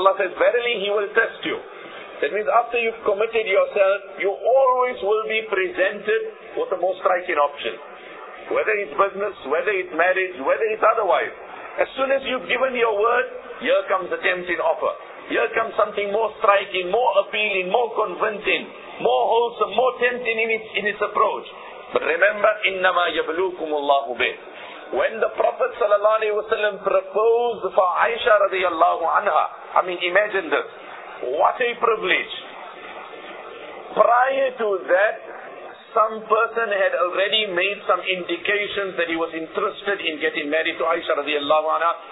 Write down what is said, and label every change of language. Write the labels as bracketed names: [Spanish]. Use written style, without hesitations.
[English] Allah says, verily He will test you. That means after you've committed yourself, you always will be presented with the most striking option. Whether it's business, whether it's marriage, whether it's otherwise. As soon as you've given your word, here comes the tempting offer. Here comes something more striking, more appealing, more convincing, more wholesome, more tempting in its approach. But remember, [Arabic] إِنَّمَا يَبْلُوكُمُ اللَّهُ بِهِ. [English] When the Prophet sallallahu alaihi wasallam proposed for Aisha radiallahu anha, I mean, imagine this. What a privilege. Prior to that, some person had already made some indications that he was interested in getting married to Aisha radiallahu anha.